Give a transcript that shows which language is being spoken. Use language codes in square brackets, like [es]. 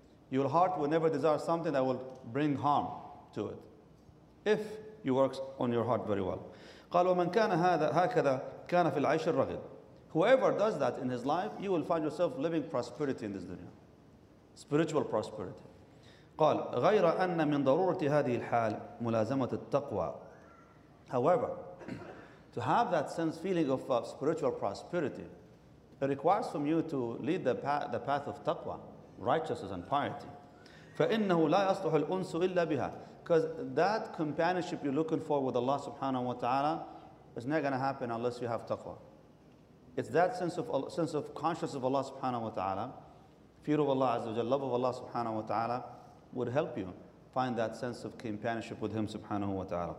[en] Your heart would never desire something that will bring harm to it. If you work on your heart very well. [ar] قَالْ وَمَنْ كَانَ هَكَذَا كَانَ فِي الْعَيْشِ الرَّغِدْ. [en] Whoever does that in his life, you will find yourself living prosperity in this dunya. Spiritual prosperity. [ar] قال غير أن من ضرورة هذه الحال ملازمة التقوى. [en] However, to have that sense feeling of spiritual prosperity, it requires from you to lead the path of taqwa, righteousness and piety. [ar] فإنه لا يصلح الأنس إلا بها. [en] Because that companionship you're looking for with Allah subhanahu wa ta'ala is not going to happen unless you have taqwa. It's that sense of consciousness of Allah subhanahu wa ta'ala, fear of Allah azza wa jalla, love of Allah subhanahu wa ta'ala, would help you find that sense of companionship with him subhanahu wa ta'ala.